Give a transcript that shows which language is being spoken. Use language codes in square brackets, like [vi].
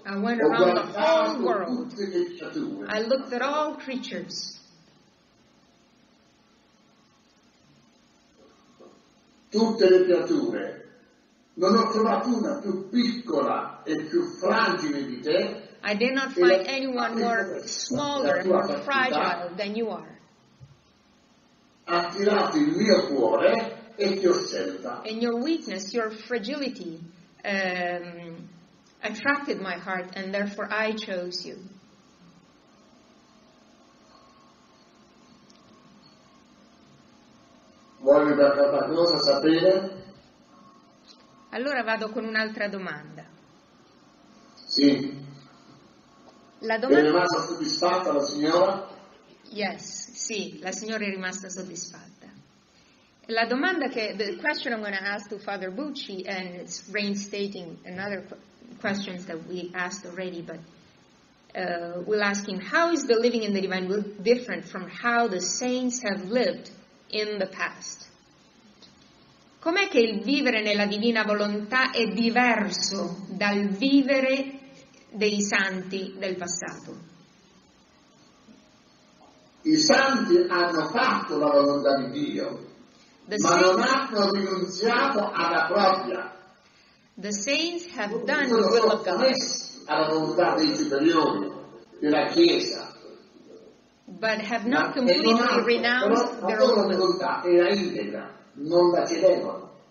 [en] I went around the whole world. [it] Tutte le creature. [en] I looked at all creatures. [it] Tutte le creature. Non ho trovato una più piccola e più fragile di te. [en] I did not find anyone more smaller and more fragile than you are. [it] Ha tirato il mio cuore. [en] And your weakness, your fragility, attracted my heart, and therefore I chose you. [it] Voglio una cosa sapere? Allora vado con un'altra domanda. Sì. La domanda. È rimasta soddisfatta la signora? Yes, sì, la signora è rimasta soddisfatta. La domanda che, [en] the question I'm going to ask to Father Bucci, and it's reinstating another questions that we asked already, but we'll ask him, how is the living in the divine world different from how the saints have lived in the past? [it] Com'è che il vivere nella divina volontà è diverso dal vivere dei santi del passato? I santi hanno fatto la volontà di Dio. [en] The [it] ma non hanno rinunciato alla propria. [en] The saints have done the will of God. [it] Alla volontà dei superiori della Chiesa. [en] But have not completely renounced their own will. [it] La volontà era integra, non la cedevano.